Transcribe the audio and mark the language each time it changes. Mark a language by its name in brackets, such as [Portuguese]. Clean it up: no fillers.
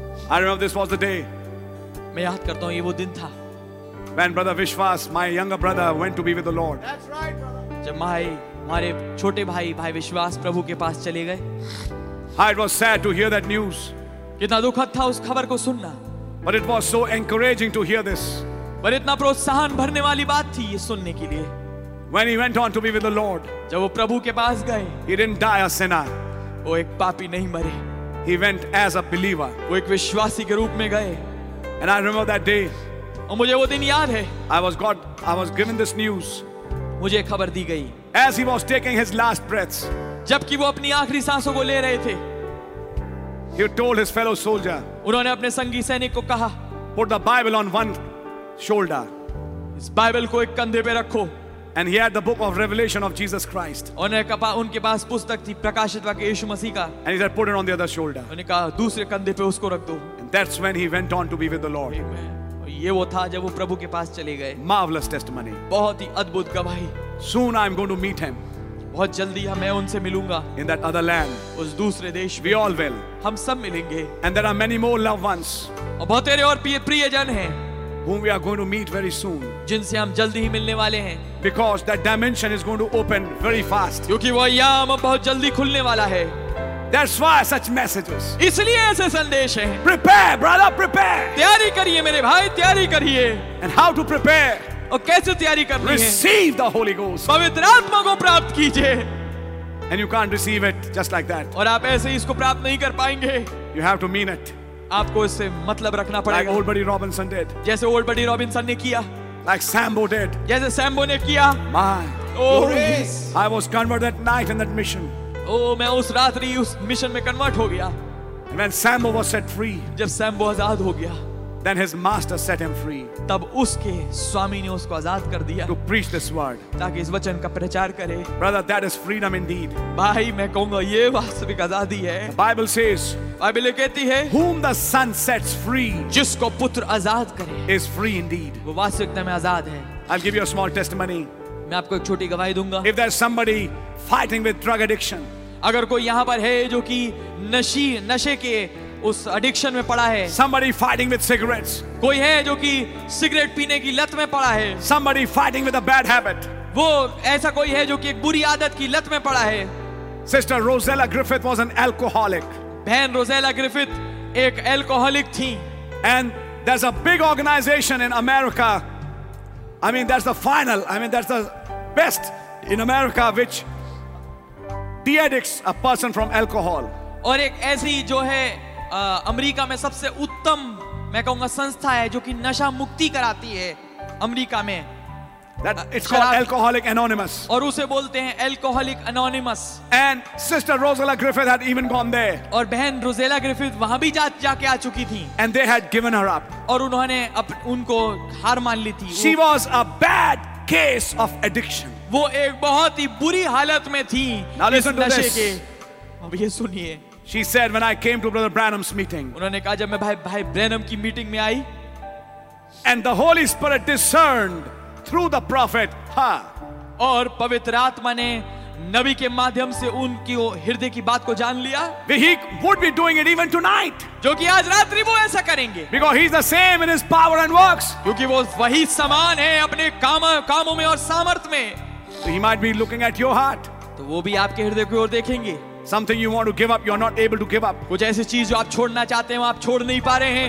[English] I remember this was the day. [Hindi] मैं याद करता हूँ ये वो दिन था. [English] When brother Vishwas, my younger brother, went to be with the Lord. That's right, brother. [Hindi] जब भाई, हमारे छोटे भाई, भाई विश्वास प्रभु के पास चले गए. [English] It was sad to hear that news. [Hindi] कितना दुखद था उस खबर को सुनना. [English] But it was so encouraging to hear this. [Hindi] पर इतना प्रोत्साहन भरने वाली बात थी ये सुनने के लिए. [English] When he went on to be with the Lord. [Hindi] जब वो प्रभु के पास गए. [English] He didn't die a sinner. [Hindi] वो एक पापी नहीं मरे. [English] He went as a believer. [Hindi] वो एक विश्वासी के रूप में गए. [English] And I remember that day. [Hindi] और मुझे वो दिन याद है. [English] I was given this news. [Hindi] मुझे खबर दी गई. [English] As he was taking his last breaths. [Hindi] जबकि वो अपनी आखिरी सांसों को ले रहे थे. [English] He told his fellow soldier. [Hindi] उन्होंने अपने संगी सैनिक को कहा. [English] Put the Bible on one shoulder. [Hindi] इस बाइबल को एक कंधे पे रखो. [English] And he had the book of Revelation of Jesus Christ. [Hindi] उनके पास पुस्तक थी प्रकाशित वाक्य यीशु मसीह का. [English] And he said, put it on the other shoulder. [Hindi] उन्होंने कहा दूसरे कंधे पे उसको रख दो. [English] And that's when he went on to be with the Lord. Amen. [Hindi] ये वो था जब वो प्रभु के पास चले गए. [English] Marvelous testimony. [Hindi] बहुत ही अद्भुत गवाही. [English] Soon I'm going to meet him. [Hindi] बहुत जल्दी मैं उनसे मिलूंगा. [English] In that other land. [Hindi] उस दूसरे देश. [English] We all will. [Hindi] हम सब मिलेंगे. [English] And there are many more loved ones. [Hindi] और बहुत तेरे और प्रियजन हैं. [English] Whom we are going to meet very soon. [Hindi] जिनसे हम जल्दी ही मिलने वाले हैं. [English] Because that dimension is going to open very fast. [Hindi] क्योंकि वो आयाम बहुत जल्दी खुलने वाला है. [English] That's why such messages. [Hindi] इसलिए ऐसे संदेश हैं. [English] Prepare, brother, prepare. [Hindi] तैयारी करिए मेरे भाई, तैयारी करिए. [English] And how to prepare? [Hindi] और कैसे तैयारी करनी है? [English] Receive the Holy Ghost. [Hindi] पवित्र आत्मा को प्राप्त कीजिए. [English] And you can't receive it just like that. [Hindi] और आप ऐसे ही इसको प्राप्त नहीं कर पाएंगे. [English] You have to mean it. [Hindi] आपको इससे मतलब रखना पड़ेगा. [English] Like old buddy Robinson did. [Hindi] जैसे old buddy Robinson ने किया. [English] Like Sambo did. [Hindi] जैसे Sambo ने किया. [English] My. Oh yes. I was converted that night in that mission. [Hindi] Oh, मैं उस रात्रि उस मिशन में कन्वर्ट हो गया. [English] When Sambo was set free. [Hindi] जब Sambo आजाद हो गया. [English] Then his master set him free. [Hindi] तब उसके स्वामी ने उसको आजाद कर दिया. [English] To preach this word. [Hindi] ताकि इस वचन का प्रचार करे. [English] Brother, that is freedom indeed. [Hindi] भाई, मैं कहूँगा ये वास्तविक आजादी है. [English] The Bible says. [Hindi] बाइबल कहती है. [English] Whom the Son sets free. [Hindi] जिसको पुत्र आजाद करे. [English] Is free indeed. [Hindi] वो वास्तविकता में आजाद है. [English] I'll give you a small testimony. [Hindi] मैं आपको एक छोटी गवाही दूंगा. [English] If there's somebody fighting with drug addiction. [Hindi] अगर कोई यहाँ पर है जो कि नशे के उस एडिक्शन में पड़ा है. [English] Somebody fighting with cigarettes. [Hindi] कोई है जो कि सिगरेट पीने की लत में पड़ा है. [English] Somebody fighting with a bad habit. [Hindi] वो ऐसा कोई है जो कि एक बुरी आदत की लत में पड़ा है. [English] Sister Rosella Griffith was an alcoholic. [Hindi] बहन रोजेला ग्रिफिथ एक एल्कोहलिक थी. [English] And there's a big organization in America. I mean, that's the final. I mean, that's the best in America, which de-addicts a person from alcohol. [Hindi] और एक ऐसी जो है America में सबसे उत्तम मैं कहूँगा संस्था है जो कि नशा मुक्ति कराती है अमेरिका में. [English] That it's called Alcoholic Anonymous. [Hindi] और उसे बोलते हैं Alcoholic Anonymous. [English] And Sister Rosella Griffith had even gone there. [Hindi] और बहन रोजेला ग्रिफिथ वहाँ भी जाके आ चुकी थी. [English] And they had given her up. [Hindi] और उन्होंने उनको हार मान ली थी. [English] She was a bad case of addiction. [Hindi] वो एक बहुत ही बुरी हालत में थी इस नशे के. अब ये सुनिए. [English] She said, "When I came to Brother Branham's meeting." [Hindi] उन्होंने कहा जब मैं भाई ब्रैनम की मीटिंग में आई. [English] And the Holy Spirit discerned. Through the prophet, ha. [Hindi] और पवित्र आत्मा ने नबी के माध्यम से उनकी हृदय की बात को जान लिया. [English] He would be doing it even tonight. [Hindi] जो कि आज रात्रि वो ऐसा करेंगे. [English] Because he's the same in his power and works. [Hindi] क्योंकि वो वही समान है अपने कामों में और सामर्थ में. [English] So he might be looking at your heart. [Hindi] तो वो भी आपके हृदय की ओर देखेंगे. [English] Something you want to give up, you're not able to give up. [Hindi] कुछ ऐसी चीज़ जो आप छोड़ना चाहते हैं, आप छोड़ नहीं पा रहे हैं.